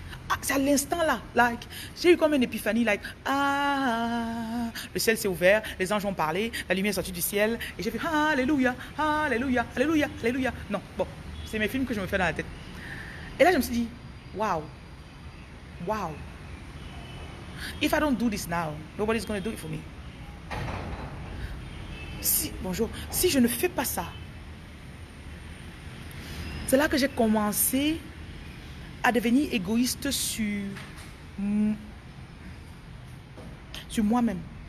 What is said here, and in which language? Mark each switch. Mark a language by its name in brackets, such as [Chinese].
[French] Ah, c'est à l'instant là, like, j'ai eu comme une épiphanie, like, ah, le ciel s'est ouvert, les anges ont parlé, la lumière est sortie du ciel, et j'ai fait, alléluia, alléluia, alléluia, alléluia. Non, bon, c'est mes films que je me fais dans la tête. Et là, je me suis dit, waouh. Wow. [English] If I don't do this now, nobody's going to do it for me. [French] Si, bonjour. Si je ne fais pas ça, c'est là que j'ai commencé à devenir égoïste sur moi-même.